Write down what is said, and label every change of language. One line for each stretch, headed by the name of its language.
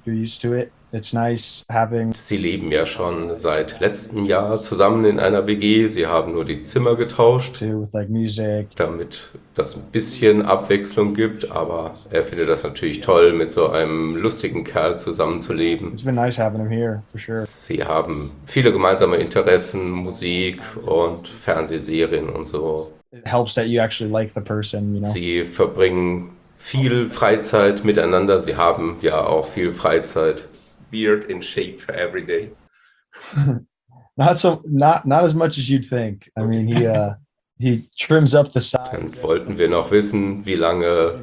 English: You're used to it. It's nice having.
German: Sie leben ja schon seit letztem Jahr zusammen in einer WG. Sie haben nur die Zimmer getauscht, damit das ein bisschen Abwechslung gibt. Aber er findet das natürlich toll, mit so einem lustigen Kerl zusammenzuleben.
English: It's been nice having him here, for sure.
German: Sie haben viele gemeinsame Interessen, Musik und Fernsehserien und so.
English: It helps that you actually like the person, you know?
German: Sie verbringen viel Freizeit miteinander. Sie haben ja auch viel Freizeit.
English: Beard in shape every day. Not as much as you'd think. I mean, he trims up the size.
German: Dann wollten wir noch wissen, wie lange